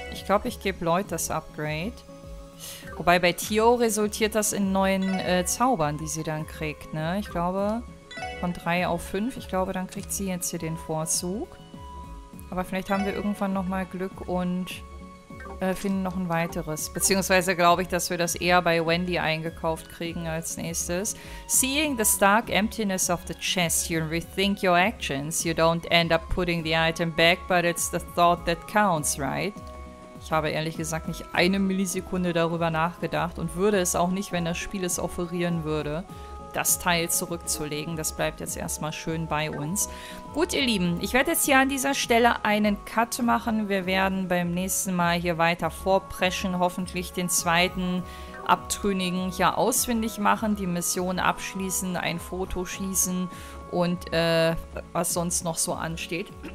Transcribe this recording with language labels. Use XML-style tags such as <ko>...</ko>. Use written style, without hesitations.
<de>Ich glaube, ich gebe Lloyd das Upgrade. Wobei bei Tio resultiert das in neuen Zaubern, die sie dann kriegt, ne? Ich glaube, von 3 auf 5. Ich glaube, dann kriegt sie jetzt hier den Vorzug. Aber vielleicht haben wir irgendwann nochmal Glück und finden noch ein weiteres. Beziehungsweise glaube ich, dass wir das eher bei Wendy eingekauft kriegen als nächstes.</de> <en>Seeing the stark emptiness of the chest, you rethink your actions. You don't end up putting the item back, but it's the thought that counts, right?</en> <de>Ich habe ehrlich gesagt nicht eine Millisekunde darüber nachgedacht und würde es auch nicht, wenn das Spiel es offerieren würde. Das Teil zurückzulegen, das bleibt jetzt erstmal schön bei uns. Gut, ihr Lieben, ich werde jetzt hier an dieser Stelle einen Cut machen. Wir werden beim nächsten Mal hier weiter vorpreschen, hoffentlich den zweiten Abtrünnigen hier ausfindig machen, die Mission abschließen, ein Foto schießen und was sonst noch so ansteht.</de>